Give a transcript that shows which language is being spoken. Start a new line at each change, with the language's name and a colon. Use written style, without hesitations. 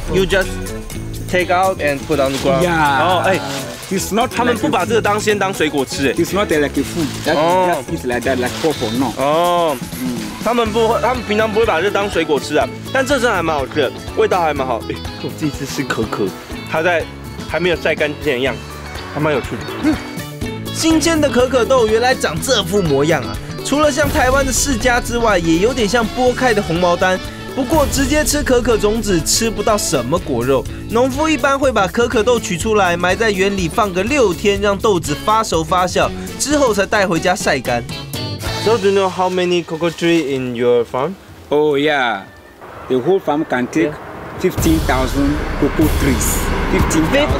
English: You just take out and put on the ground. Yeah.
Chinese: 然后
English: It's not.
Chinese: 他们不把这个当先当水果吃
English: It's not like a food. That is like that, like purple. No.
Chinese: 他们不，他们平常不会把这当水果吃啊。但这真的还蛮好吃的，味道还蛮好。我第一次吃可可，它在还没有晒干之前的样子，还蛮有趣的。新鲜的可可豆原来长这副模样啊！除了像台湾的释迦之外，也有点像剥开的红毛丹。不过直接吃可可种子吃不到什么果肉，农夫一般会把可可豆取出来埋在园里放个6天，让豆子发熟发酵，之后才带回家晒干。
English: So do you know how many cocoa tree in your farm? Oh yeah, the whole farm can take 15,000 cocoa trees.